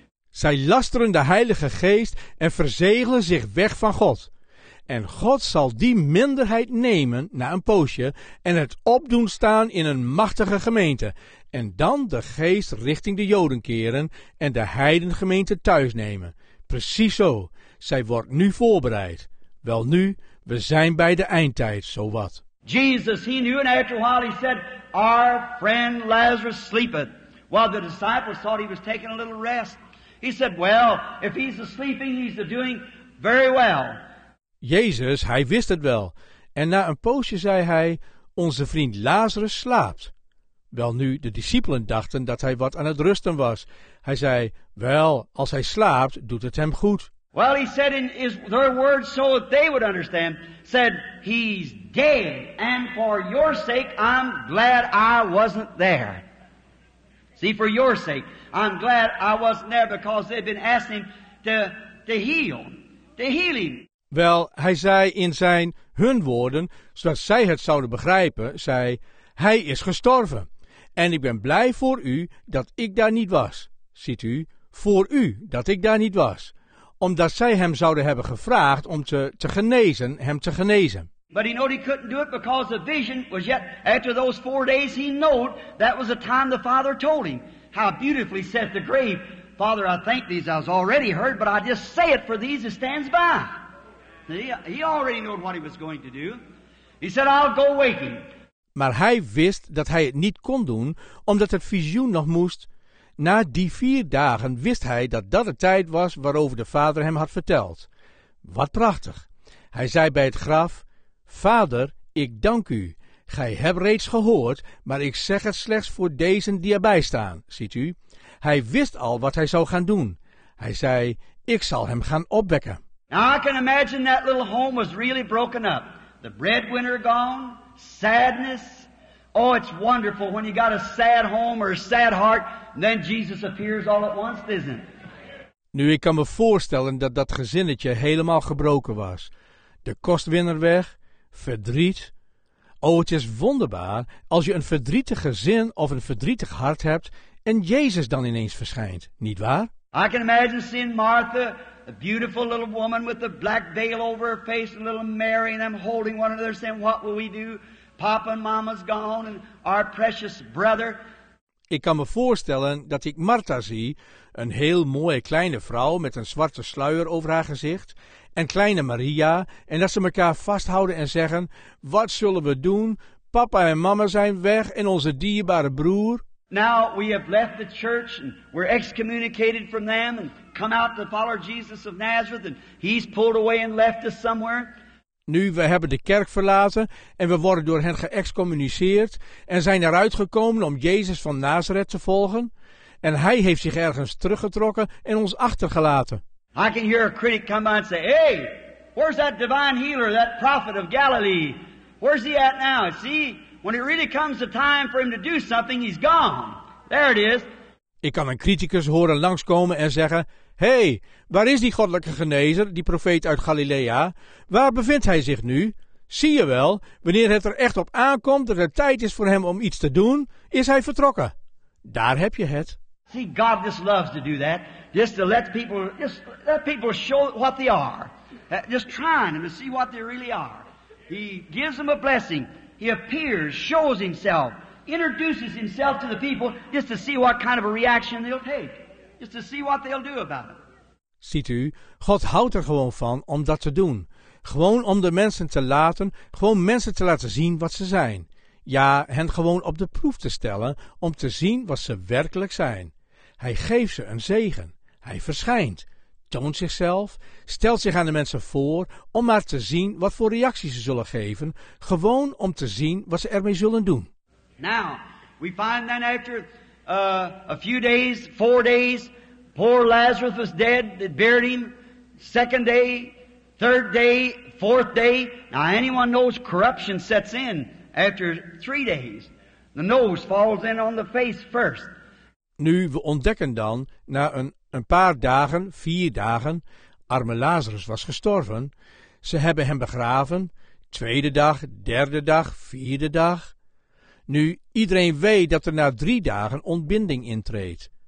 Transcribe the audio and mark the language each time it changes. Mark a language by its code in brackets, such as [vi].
[nl] Zij lasteren de Heilige Geest en verzegelen zich weg van God. En God zal die minderheid nemen na een poosje en het opdoen staan in een machtige gemeente. En dan de geest richting de Joden keren en de heidengemeente thuis nemen. Precies zo. Zij wordt nu voorbereid. Wel nu, we zijn bij de eindtijd, zowat. [en] Jesus, he knew, and after a while he said, our friend Lazarus sleepeth. While the disciples thought he was taking a little rest. He said, well, if he's sleeping, he's doing very well. [nl] Jezus, hij wist het wel. En na een poosje zei hij, onze vriend Lazarus slaapt. Wel nu, de discipelen dachten dat hij wat aan het rusten was. Hij zei, wel, als hij slaapt, doet het hem goed. [en] Well, he said in his their words so that they would understand, said, he's dead, and for your sake, I'm glad I wasn't there. See, for your sake, I'm glad I wasn't there, because they've been asking to heal him. [nl] Wel, hij zei in zijn hun woorden, zodat zij het zouden begrijpen, zei, hij is gestorven. En ik ben blij voor u dat ik daar niet was. Ziet u, voor u dat ik daar niet was. omdat zij hem zouden hebben gevraagd om te genezen, hem te genezen. [en] But he knew he couldn't do it because the vision was yet after those 4 days. He knew that was the time the Father told him. How beautifully saith the grave, Father, I thank thee, I've already heard, but I just say it for these that stands by. He already knew what he was going to do. He said, I'll go waking. [nl] Maar hij wist dat hij het niet kon doen, omdat het visioen nog moest. Na die 4 dagen wist hij dat dat de tijd was waarover de Vader hem had verteld. Wat prachtig. Hij zei bij het graf, Vader, ik dank u. Gij hebt reeds gehoord, maar ik zeg het slechts voor dezen die erbij staan, ziet u. Hij wist al wat hij zou gaan doen. Hij zei, ik zal hem gaan opwekken. [en] Now I can imagine that little home was really broken up. The breadwinner gone, sadness. Oh, it's wonderful when you got a sad home or a sad heart, and then Jesus appears all at once, isn't it? [nl] Nu, ik kan me voorstellen dat dat gezinnetje helemaal gebroken was. De kostwinner weg, verdriet. Oh, het is wonderbaar als je een verdrietig gezin of een verdrietig hart hebt en Jezus dan ineens verschijnt, nietwaar? [en] I can imagine seeing Martha, a beautiful little woman with a black veil over her face, and little Mary and them holding one another saying, what will we do? Papa and mama's gone and our precious brother. [nl] Ik kan me voorstellen dat ik Martha zie, een heel mooie kleine vrouw met een zwarte sluier over haar gezicht, en kleine Maria, en dat ze elkaar vasthouden en zeggen, wat zullen we doen? Papa en mama zijn weg en onze dierbare broer. [en] Now we have left the church and we're excommunicated from them and come out to follow Jesus of Nazareth and he's pulled away and left us somewhere. [nl] Nu, we hebben de kerk verlaten en we worden door hen geëxcommuniceerd en zijn eruit gekomen om Jezus van Nazareth te volgen. En hij heeft zich ergens teruggetrokken en ons achtergelaten. [en] I can hear a critic come by and say, hey, where's that divine healer, that prophet of Galilee? Where's he at now? See, when it really comes the time for him to do something, he's gone. There it is. [nl] Ik kan een criticus horen langskomen en zeggen, hey, waar is die goddelijke genezer, die profeet uit Galilea? Waar bevindt hij zich nu? Zie je wel, wanneer het er echt op aankomt dat het tijd is voor hem om iets te doen, is hij vertrokken. Daar heb je het. [en] See, God just loves to do that. Just to let people show what they are. Just trying them to see what they really are. He gives them a blessing. He appears, shows himself, introduces himself to the people just to see what kind of a reaction they'll take. Just to see what they'll do about it. [nl] Ziet u, God houdt er gewoon van om dat te doen. Gewoon om de mensen te laten, gewoon mensen te laten zien wat ze zijn. Ja, hen gewoon op de proef te stellen om te zien wat ze werkelijk zijn. Hij geeft ze een zegen. Hij verschijnt, toont zichzelf, stelt zich aan de mensen voor om maar te zien wat voor reacties ze zullen geven, gewoon om te zien wat ze ermee zullen doen. [en] Now, we find that after a few days, 4 days, poor Lazarus was dead, they buried him. Second day, third day, fourth day. Now, anyone knows corruption sets in after 3 days. The nose falls in on the face first. [nl] Nu, we ontdekken dan, na een paar dagen, 4 dagen, arme Lazarus was gestorven. Ze hebben hem begraven, 2e dag, 3e dag, 4e dag. Nu, iedereen weet dat er na 3 dagen ontbinding intreedt.